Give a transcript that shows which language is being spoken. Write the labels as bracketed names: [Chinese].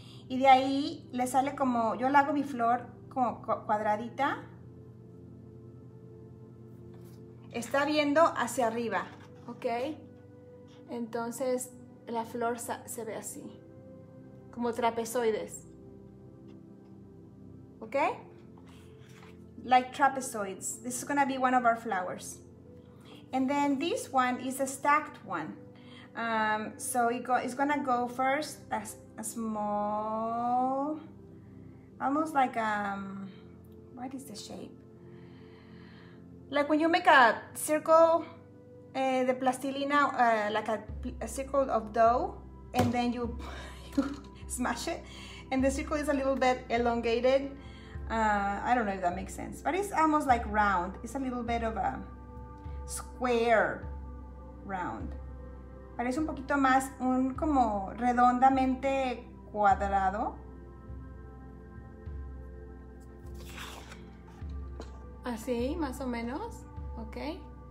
[Spanish] Y de ahí le sale como, yo le hago mi flor como cuadradita. Está viendo hacia arriba, ¿ok? Entonces la flor se ve así, como trapezoides, ¿ok? [English] Like trapezoids. This is gonna be one of our flowers. And then this one is a stacked one. It's gonna go first as a small, almost like what is the shape? Like when you make a circle. [Spanish] De plastilina, [English] like a circle of dough, and then you smash it, and the circle is a little bit elongated. I don't know if that makes sense, but it's almost like round. It's a little bit of a square round. [Spanish] Parece un poquito más un como redondamente cuadrado. Así, más o menos, okay.